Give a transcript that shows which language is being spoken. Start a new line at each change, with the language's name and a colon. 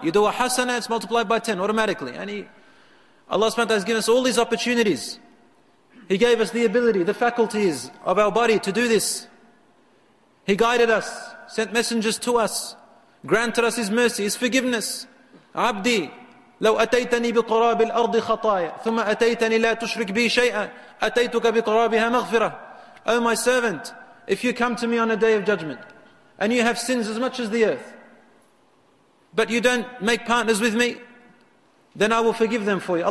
English: You do a hasana, it's multiplied by ten automatically. And Allah subhanahu wa ta'ala has given us all these opportunities. He gave us the ability, the faculties of our body to do this. He guided us, sent messengers to us, granted us His mercy, His forgiveness.
Arabic: Abdi, لو أتيتني بقراب الأرض خطايا ثم أتيتني لا تشرك بي شيئا أتيتك بقرابها مغفرة.
English: Oh my servant, if you come to me on a day of judgment and you have sins as much as the earth, but you don't make partners with me, then I will forgive them for you.